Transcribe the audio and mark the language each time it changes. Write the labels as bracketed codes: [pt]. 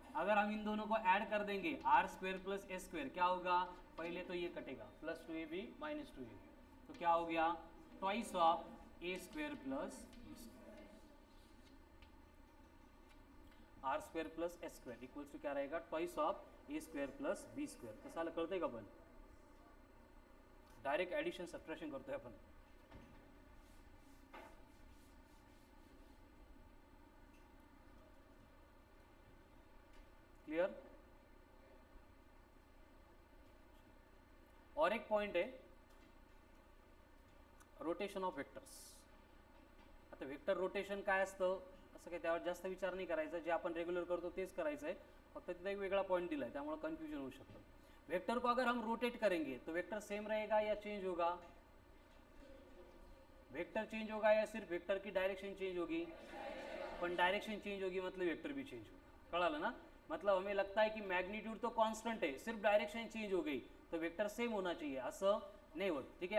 [hi] अगर हम इन दोनों को ऐड कर देंगे are square plus A square क्या होगा, पहले तो ये कटेगा plus two A B minus two ए, तो क्या हो गया twice of A square plus are square plus A square equals to क्या रहेगा twice of A square plus B square. कैसा करते हैं अपन डायरेक्ट एडिशन सब्ट्रैक्शन करते हैं अपन, क्लियर। और एक पॉइंट है रोटेशन ऑफ वेक्टर्स, [mr] आता वेक्टर रोटेशन काय असतं असं काही त्यावर जास्त विचार नाही करायचा, जे आपण रेग्युलर करतो तेच करायचं आहे, फक्त तिथे एक वेगळा पॉईंट दिला आहे त्यामुळे कन्फ्युजन होऊ शकतं। [hi] वेक्टर को अगर हम रोटेट करेंगे तो वेक्टर सेम रहेगा या चेंज होगा, वेक्टर चेंज होगा या सिर्फ वेक्टर की डायरेक्शन चेंज होगी, पण डायरेक्शन चेंज होगी मतलब वेक्टर भी चेंज होगा, [mr] कळालं ना। [hi] मतलब हमें लगता है कि मैग्नीट्यूड तो कॉन्स्टेंट है, सिर्फ डायरेक्शन चेंज हो गई तो वेक्टर सेम होना चाहिए, ऐसा नहीं होता, ठीक है।